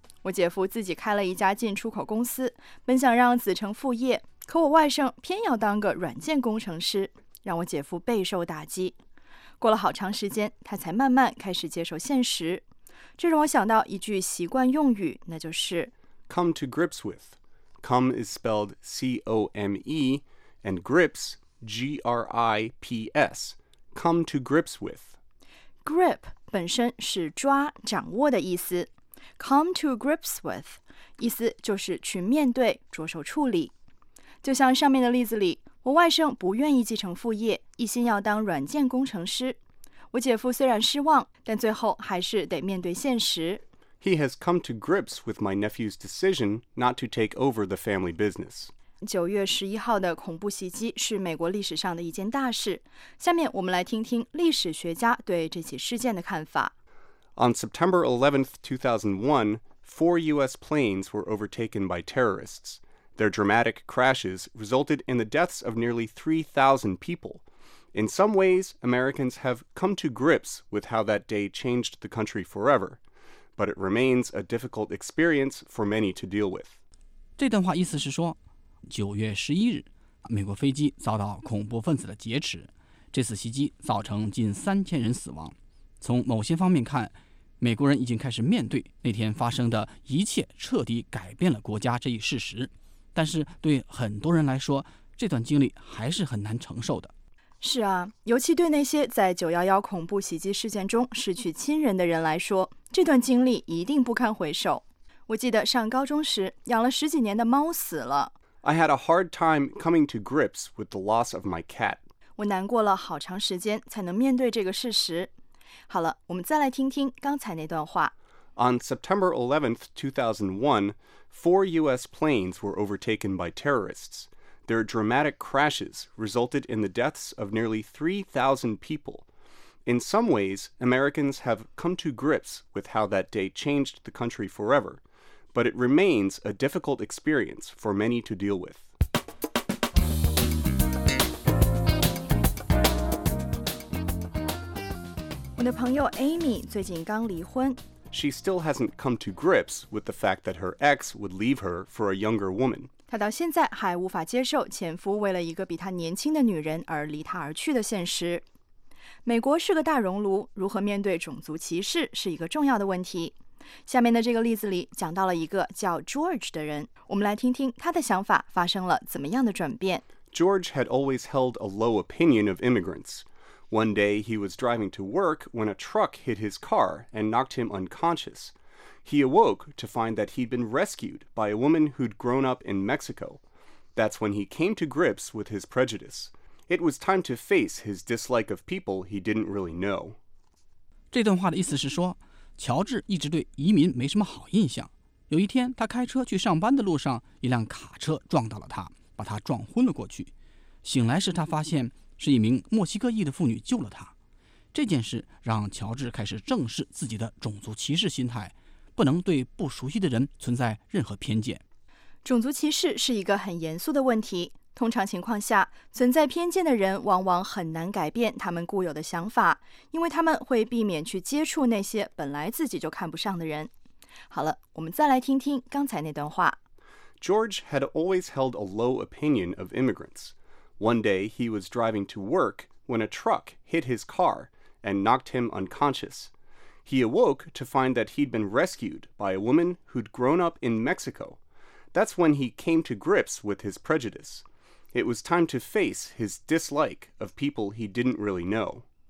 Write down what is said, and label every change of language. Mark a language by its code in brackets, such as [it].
[zh] 我姐夫自己开了一家进出口公司，本想让子承父业，可我外甥偏要当个软件工程师，让我姐夫备受打击。过了好长时间，他才慢慢开始接受现实。这让我想到一句习惯用语，那就是 [en] Come to grips with。 Come is spelled C-O-M-E, and grips, G-R-I-P-S, come to grips with. [zh] Grip 本身是抓、掌握的意思。 [en] Come to grips with [zh] 意思就是去面对、着手处理。就像上面的例子里，我外甥不愿意继承父业，一心要当软件工程师。我姐夫虽然失望，但最后还是得面对现实。 [en] He has come to grips with my nephew's decision not to take over the family business. [zh] 9月11号的恐怖袭击是美国历史上的一件大事。下面我们来听听历史学家对这起事件的看法。 [en] On September 11th, 2001, four U.S. planes were overtaken by terrorists. Their dramatic crashes resulted in the deaths of nearly 3,000 people. In some ways, Americans have come to grips with how that day changed the country forever. But it remains a difficult experience for many to deal with. [zh] 这段话意思是说，9月11日，美国飞机遭到恐怖分子的劫持，这次袭击造成近3000人死亡。从某些方面看，美国人已经开始面对那天发生的一切彻底改变了国家这一事实。但是对很多人来说，这段经历还是很难承受的。是啊，尤其对那些在911恐怖袭击事件中失去亲人的人来说，这段经历一定不堪回首。我记得上高中时，养了十几年的猫死了。 [en] I had a hard time coming to grips with the loss of my cat. [zh] 我难过了好长时间才能面对这个事实。好了，我们再来听听刚才那段话。 [en] On September 11th, 2001, four U.S. planes were overtaken by terrorists. Their dramatic crashes resulted in the deaths of nearly 3,000 people. In some ways, Americans have come to grips with how that day changed the country forever, but it remains a difficult experience for many to deal with. My friend [zh] Amy 最近刚离婚。 [en] She still hasn't come to grips with the fact that her ex would leave her for a younger woman. [zh] 她到现在还无法接受前夫为了一个比她年轻的女人而离她而去的现实。美国是个大熔炉，如何面对种族歧视是一个重要的问题。下面的这个例子里讲到了一个叫 George 的人，我们来听听他的想法发生了怎么样的转变。 [en] George had always held a low opinion of immigrants. One day he was driving to work when a truck hit his car and knocked him unconscious. He awoke to find that he'd been rescued by a woman who'd grown up in Mexico. That's when he came to grips with his prejudice. It was time to face his dislike of people he didn't really know. [zh] 这段话的意思是说，乔治一直对移民没什么好印象。有一天，他开车去上班的路上，一辆卡车撞到了他，把他撞昏了过去。醒来时，他发现是一名墨西哥裔的妇女救了他。这件事让乔治开始正视自己的种族歧视心态，不能对不熟悉的人存在任何偏见。种族歧视是一个很严肃的问题。通常情况下，存在偏见的人往往很难改变他们固有的想法，因为他们会避免去接触那些本来自己就看不上的人。好了，我们再来听听刚才那段话。 [en] George had always held a low opinion of immigrants. One day he was driving to work when a truck hit his car and knocked him unconscious. He awoke to find that he'd been rescued by a woman who'd grown up in Mexico. That's when he came to grips with his prejudice. It was time to face his dislike of people he didn't really know.